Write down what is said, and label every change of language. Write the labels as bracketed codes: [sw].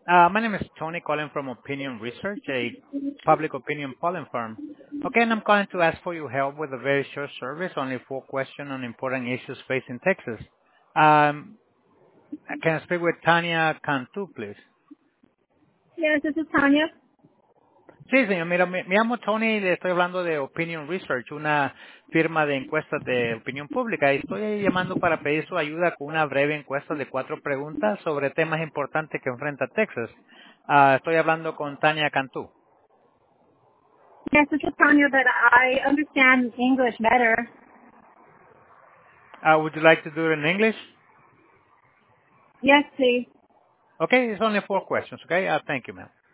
[en] My name is Tony, calling from Opinion Research, a public opinion polling firm. Okay, and I'm calling to ask for your help with a very short service, only 4 questions on important issues facing Texas. Can I speak with Tanya Cantu, please? Yes, this is Tanya. [es] Sí, señor. Me llamo Tony y le estoy hablando de Opinion Research, una firma de encuestas de opinión pública. Y estoy llamando para pedir su ayuda con una breve encuesta de 4 preguntas sobre temas importantes que enfrenta Texas. Estoy hablando con Tanya Cantu. [en] Yes, this is Tanya, but I understand English better. Would you like to do it in English? Yes, please. Okay, it's only 4 questions, okay? Thank you, ma'am.